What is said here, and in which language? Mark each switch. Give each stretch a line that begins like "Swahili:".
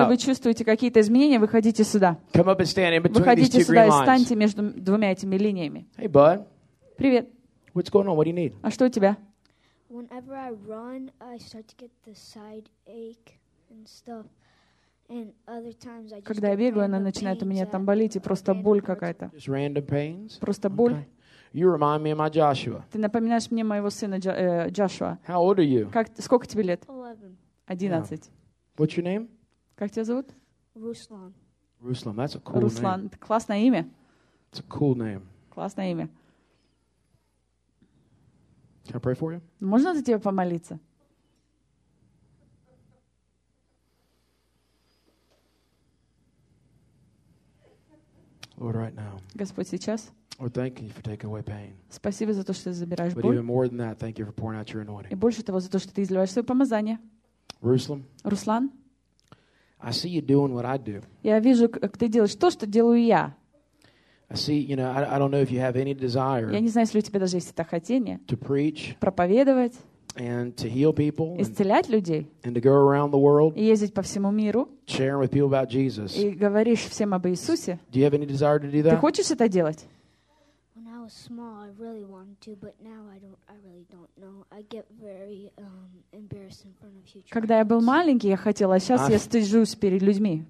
Russian: Если вы чувствуете какие-то изменения, выходите сюда.
English: Come up and stand in between
Russian: выходите
English: these two
Russian: сюда
English: green lines.
Russian: И встаньте между двумя этими линиями.
English: Hey, bud.
Russian: Привет.
English: What's going on? What do you need?
Russian: А что у тебя?
English: Whenever I run, I start to get the side ache and stuff. And other times I just
Russian: Когда я бегаю, она начинает у меня там болеть и просто боль какая-то.
English: Just random pains.
Russian: Просто боль.
English: Okay. You remind me of my Joshua.
Russian: Ты напоминаешь мне моего сына Джошуа.
English: How old are you?
Russian: Как сколько тебе лет? 11. 11.
English: Yeah. What's your name?
Russian: Как тебя зовут? Руслан.
English: Руслан, that's a cool
Russian: Руслан.
English: Name.
Russian: Руслан, классное имя.
English: It's a cool name.
Russian: Классное имя.
English: Can I pray for you?
Russian: Можно за тебя помолиться?
English: Lord, right now.
Russian: Господь, сейчас.
English: Lord, thank you for taking away pain.
Russian: Спасибо за то, что ты забираешь боль.
English: But even more than that, thank you for pouring out your anointing.
Russian: И больше того, за то, что ты изливаешь свое помазание. Руслан. Руслан.
English: I see you doing what I do.
Russian: Я вижу, как ты делаешь то, что делаю я.
English: I see, you know, I don't know if you have any desire.
Russian: Я не знаю, если у тебя даже есть это хотение.
English: To preach.
Russian: Проповедовать.
English: And to heal people.
Russian: Исцелять людей.
English: And to go around the world.
Russian: И ездить по всему миру.
English: Sharing with people about Jesus.
Russian: И говоришь всем об Иисусе.
English: Do you have any desire to do that?
Russian: Ты хочешь это делать?
English: Small, I really wanted to, but now I really don't know. I get very embarrassed in front of future.
Russian: Когда я был маленький, я хотел, а сейчас я стыжусь перед людьми.